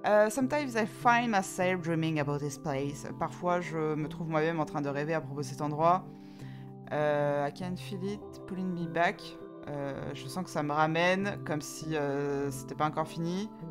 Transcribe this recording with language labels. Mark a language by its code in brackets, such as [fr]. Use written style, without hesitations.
[en] Sometimes I find myself dreaming about this place. [fr] Parfois, je me trouve moi-même en train de rêver à propos de cet endroit. [en] I can feel it pulling me back. [fr] Je sens que ça me ramène, comme si c'était pas encore fini.